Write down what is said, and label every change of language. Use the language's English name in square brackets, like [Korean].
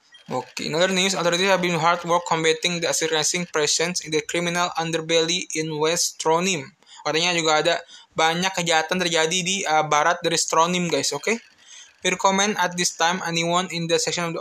[English] Oke, in other news, authorities have been hard work combating the surging presence in the criminal underbelly in West Stronim. [Indonesian] Katanya juga ada banyak kejahatan terjadi di barat dari Stronim guys, oke? [English] Okay? We recommend at this time anyone in the section of the...